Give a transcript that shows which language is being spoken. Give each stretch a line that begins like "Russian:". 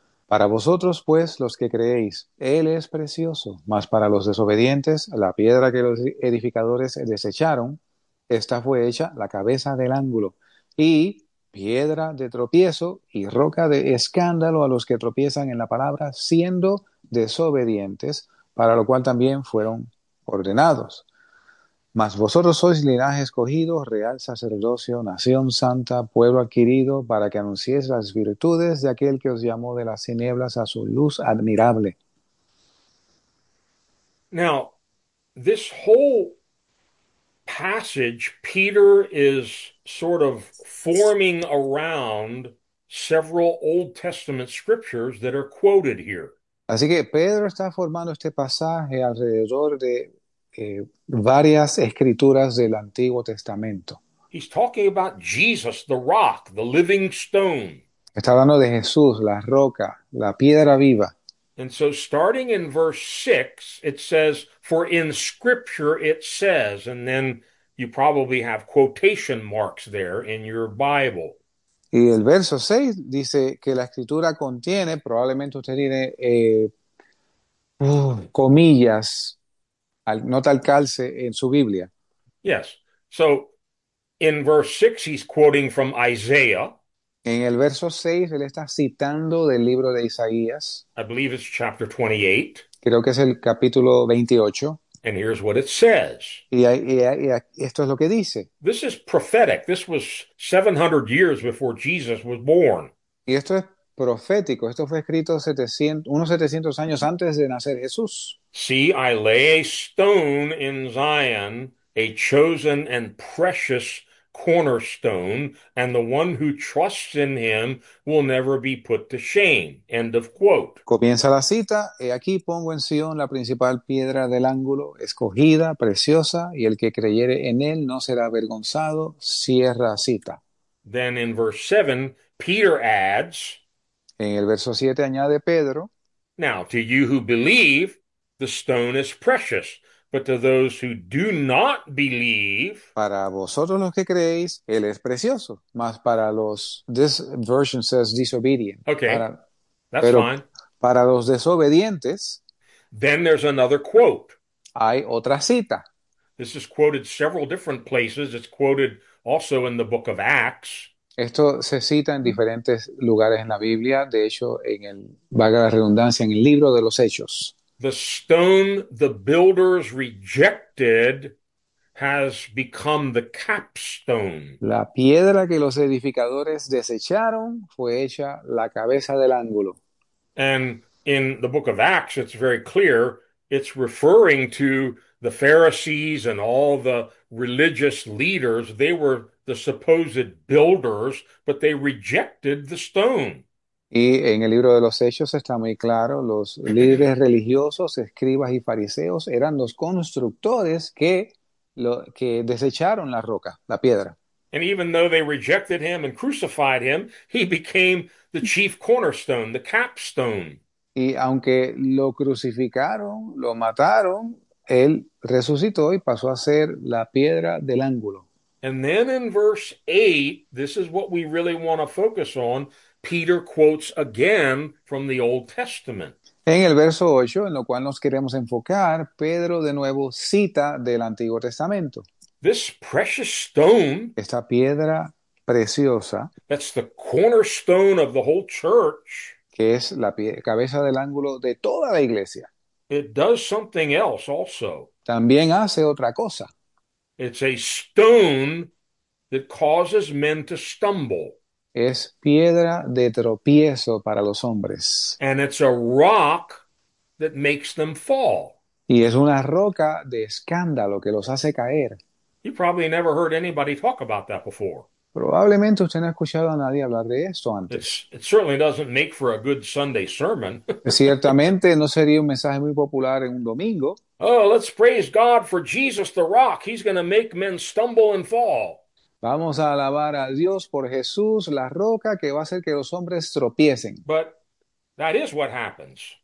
Spanish: Para vosotros, pues, los que creéis, él es precioso, mas para los desobedientes, la piedra que los edificadores desecharon, esta fue hecha la cabeza del ángulo, y piedra de tropiezo y roca de escándalo a los que tropiezan en la palabra, siendo desobedientes, para lo cual también fueron ordenados. Mas vosotros sois linaje escogido, real sacerdocio, nación santa, pueblo adquirido, para que anunciéis las virtudes de aquel que os llamó de las tinieblas a su luz admirable.
English: Now, this whole passage, Peter is sort of forming around several Old Testament scriptures that are quoted here.
Spanish: Así que Pedro está formando este pasaje alrededor de varias escrituras del Antiguo Testamento.
English: He's talking about Jesus, the rock, the living stone.
Spanish: Está hablando de Jesús, la roca, la piedra viva.
English: And so starting in verse 6, it says, for in scripture it says, and then you probably have quotation marks there in your Bible.
Spanish: Y el verso 6 dice que la escritura contiene, probablemente usted tiene comillas, nota al calce en su Biblia.
English: Yes. So in verse 6, he's quoting from Isaiah.
Spanish: En el verso 6, él está citando del libro de Isaías.
English: I believe it's chapter 28.
Spanish: Creo que es el capítulo 28.
English: And here's what it says.
Spanish: Y esto es lo que dice.
English: This is prophetic. This was 700 years before Jesus was born.
Spanish: Y esto es profético. Esto fue escrito 700, unos 700 años antes de nacer Jesús.
English: See, I lay a stone in Zion, a chosen and precious cornerstone, and the one who trusts in him will never be put to shame. End of quote.
Spanish: Comienza la cita. He aquí pongo en Sion la principal piedra del ángulo, escogida, preciosa, y el que creyere en él no será avergonzado. Cierra cita.
English: Then in verse 7, Peter adds,
Spanish: en el verso 7 añade Pedro,
English: now to you who believe, the stone is precious, but to those who do not believe,
Spanish: para vosotros los que creéis, él es precioso, mas para los,
English: this version says disobedient. Okay,
Spanish: para,
English: that's
Spanish: pero
English: fine.
Spanish: Para los desobedientes,
English: then there's another quote.
Spanish: Hay otra cita.
English: This is quoted several different places. It's quoted also in the book of Acts.
Spanish: Esto se cita en diferentes lugares en la Biblia. De hecho, en el, valga la redundancia, en el libro de los Hechos.
English: The stone the builders rejected has become the capstone.
Spanish: La piedra que los edificadores desecharon fue hecha la cabeza del ángulo.
English: And in the book of Acts, it's very clear, it's referring to the Pharisees and all the religious leaders. They were the supposed builders, but they rejected the stone.
Spanish: Y en el libro de los Hechos está muy claro, los líderes religiosos, escribas y fariseos eran los constructores que desecharon la roca, la piedra.
English: And even though they rejected him and crucified him, he became the chief cornerstone, the capstone.
Spanish: Y aunque lo crucificaron, lo mataron, él resucitó y pasó a ser la piedra del ángulo.
English: And then in verse 8, this is what we really want to focus on. Peter quotes again from the Old Testament.
Spanish: En el verso 8, en lo cual nos queremos enfocar, Pedro de nuevo cita del Antiguo Testamento.
English: This precious stone,
Spanish: esta piedra preciosa,
English: that's the cornerstone of the whole church,
Spanish: que es la cabeza del ángulo de toda la iglesia.
English: It does something else also.
Spanish: También hace otra cosa.
English: It's a stone that causes men to stumble.
Spanish: Es piedra de tropiezo para los hombres.
English: And it's a rock that makes them fall.
Spanish: Y es una roca de escándalo que los hace caer.
English: You probably never heard anybody talk about that before.
Spanish: Probablemente usted no ha escuchado a nadie hablar de esto antes.
English: It certainly doesn't make for a good Sunday sermon.
Spanish: Ciertamente no sería un mensaje muy popular en un domingo.
English: Oh, let's praise God for Jesus the rock. He's going to make men stumble and fall.
Spanish: Vamos a alabar a Dios por Jesús, la roca que va a hacer que los hombres tropiecen.
English: But that is what happens.